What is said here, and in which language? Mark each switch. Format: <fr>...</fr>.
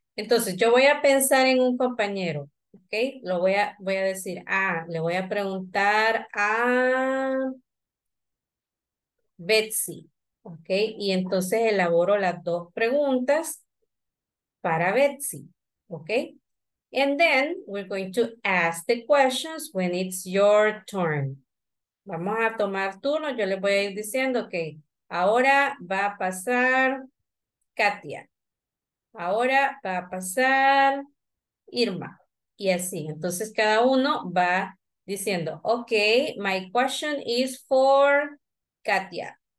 <es>Entonces, yo voy a pensar en un compañero. Ok. Lo voy a decir, le voy a preguntar a Betsy, ¿ok? Y entonces elaboro las dos preguntas para Betsy, ¿ok?</es> <en>And then we're going to ask the questions when it's your turn.</en> <es>Vamos a tomar turno, yo les voy a ir diciendo que ahora va a pasar Katia, ahora va a pasar Irma, y así. Entonces cada uno va diciendo, ok,</es> <en>my question is for Katia.</en>